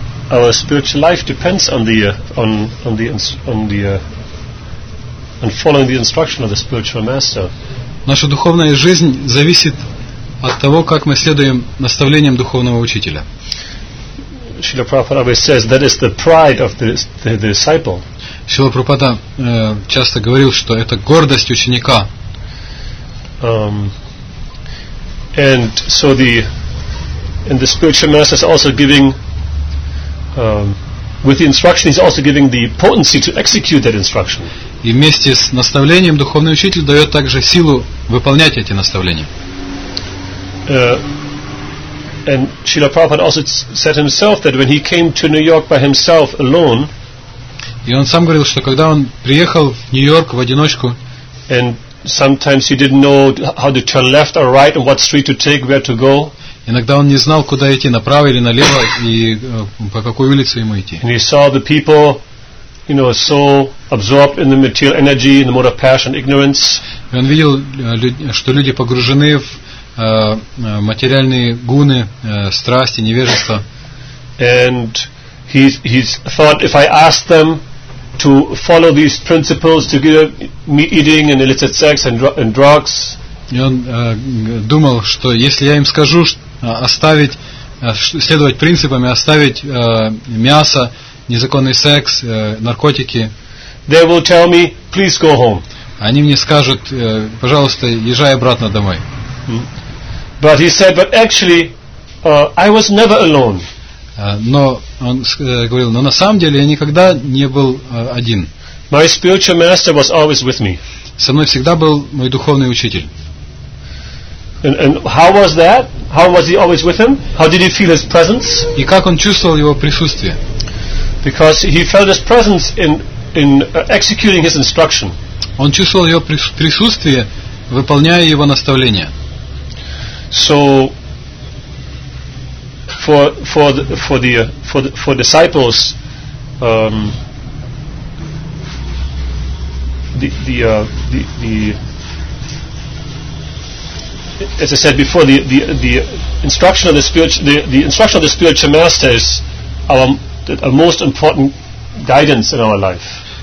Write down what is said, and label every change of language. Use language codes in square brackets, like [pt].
[en] our spiritual life depends on following the instruction of the spiritual master. [ru] Наша духовная жизнь зависит от того, как мы следуем наставлениям духовного учителя. [en] Шрила Прабхупада always says that is the pride of the disciple. [ru] Шрила Прабхупада часто говорил, что это гордость ученика. [en] And the spiritual master is also giving with the instruction, he's also giving the potency to execute that instruction. [ru] И вместе с наставлением духовный учитель дает также силу выполнять эти наставления. [en] And Srila Prabhupada also said himself that when he came to New York by himself alone. [ru] И он сам говорил, что когда он приехал в Нью-Йорк в одиночку. [en] And sometimes he didn't know how to turn left or right, and what street to take, where to go. [ru] Иногда он не знал, куда идти, направо или налево, и по какой улице ему идти. [en] And he saw the people, you know, so absorbed in the material energy, in the mode of passion, ignorance. [ru] И он видел, что люди погружены в материальные гуны, страсти, невежество. [en] And he thought, if I ask them to follow these principles, to give me eating and illicit sex and drugs. [ru] И он думал, что если я им скажу, оставить, следовать принципам, оставить мясо, незаконный секс, наркотики, [en] they will tell me, please go home. [ru] Они мне скажут, пожалуйста, езжай обратно домой. [en] But he said, but actually, I was never alone. [ru] Но он говорил, но на самом деле я никогда не был один. [en] My spiritual master was always with me. [ru] Со мной всегда был мой духовный учитель. [en] And how was that? How was he always with him? How did he feel his presence? [ru] И как он чувствовал его присутствие? [en] Because he felt his presence in executing his instruction. [ru] Он чувствовал его присутствие, выполняя его наставления. [en] So for disciples, as I said before, the instruction of the spiritual master is our most important guidance in our life.